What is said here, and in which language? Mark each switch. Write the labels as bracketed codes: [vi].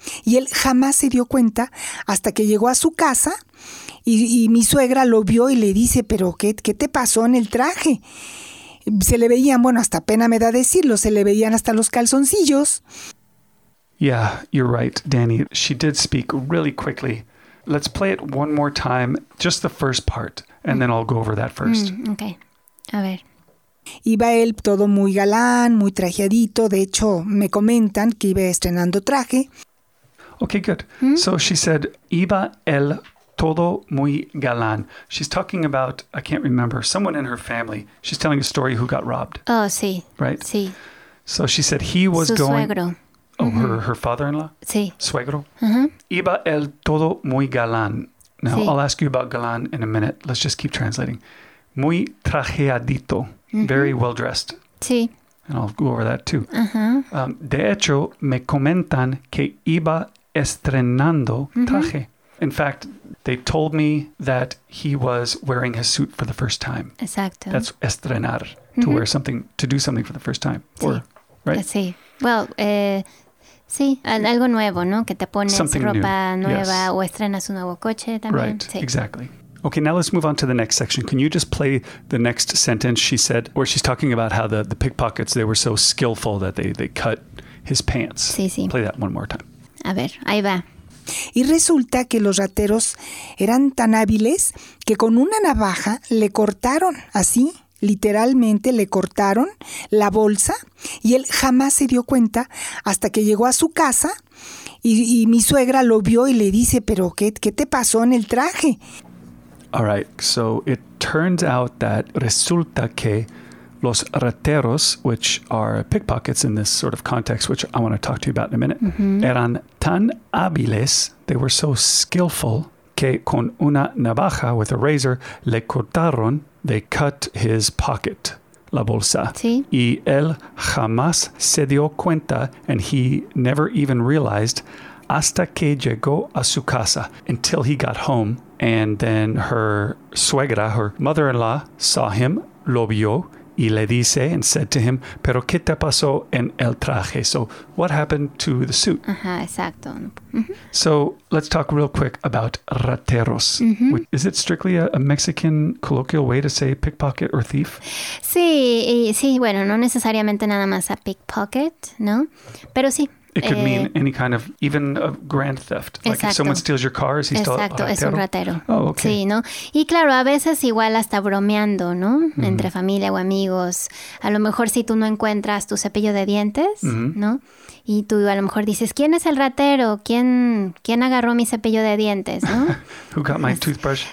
[es] Y él jamás se dio cuenta hasta que llegó a su casa. Y mi suegra lo vio y le dice, ¿pero qué te pasó en el traje? Se le veían, bueno, hasta pena me da decirlo, se le veían hasta los calzoncillos. [en] Yeah, you're right, Danny. She did speak really quickly. Let's play it one more time, just the first part, and then I'll go over that first. [es] Okay. A ver. Iba él todo muy galán, muy trajeadito. De hecho, me comentan que iba estrenando traje. [en] Okay, good. So she said, [es] iba él todo muy galán. [en] She's talking about, I can't remember, someone in her family. She's telling a story who got robbed. [es] Oh, sí. [en] Right? [es] Sí. [en] So she said he was [es] Su [en] going... [es] Suegro. [en] Oh, her father-in-law? [es] Sí. Suegro? Mm-hmm. Iba el todo muy galán. Now, sí. [en] I'll ask you about galán in a minute. Let's just keep translating. [es] Muy trajeadito. [en] Mm-hmm. Very well-dressed. [es] Sí. [en] And I'll go over that too. Mm-hmm. [es] De hecho, me comentan que iba estrenando traje. [en] In fact, They told me that he was wearing his suit for the first time. [es] Exacto. [en] That's estrenar, to mm-hmm. wear something, to do something for the first time. Sí. Or, right? [es] Sí. Well, sí, algo nuevo, ¿no? Que te pones something ropa new. Nueva yes. o estrenas un nuevo coche también. [en] Right, [es] sí. [en] Exactly. Okay, now let's move on to the next section. Can you just play the next sentence she said, where she's talking about how the pickpockets, they were so skillful that they cut his pants. [es] Sí, sí. [en] Play that one more time. [es] A ver, ahí va. Y resulta que los rateros eran tan hábiles que con una navaja le cortaron, así, literalmente le cortaron la bolsa y él jamás se dio cuenta hasta que llegó a su casa y mi suegra lo vio y le dice, pero ¿qué te pasó en el traje? [en] All right, so it turns out that [es] resulta que los rateros, [en] which are pickpockets in this sort of context, which I want to talk to you about in a minute, mm-hmm. [es] eran tan hábiles, [en] they were so skillful, [es] que con una navaja, [en] with a razor, [es] le cortaron, [en] they cut his pocket, [es] la bolsa. Sí. Y él jamás se dio cuenta, [en] and he never even realized, [es] hasta que llegó a su casa, [en] until he got home. And then her suegra, her mother-in-law, saw him, [es] lo vio, y le dice, [en] and said to him, [es] pero qué te pasó en el traje? [en] So what happened to the suit? [es] Ajá, exacto. [en] So let's talk real quick about rateros. Mm-hmm. Which, is it strictly a Mexican colloquial way to say pickpocket or thief? [es] Sí, y, sí, bueno, no necesariamente nada más [en] a pickpocket, [es] ¿no? Pero sí. [en] It could mean any kind of, even a grand theft. Like [es] exacto. [en] If someone steals your car, is he still [es] exacto. [en] a ratero? [es] Exacto, es un ratero. [en] Oh, okay. [es] Sí, ¿no? Y claro, a veces igual hasta bromeando, ¿no? Mm-hmm. Entre familia o amigos. A lo mejor si tú no encuentras tu cepillo de dientes, mm-hmm. ¿no? Y tú a lo mejor dices, ¿quién es el ratero? ¿Quién agarró mi cepillo de dientes, ¿no? [en] Who got my toothbrush?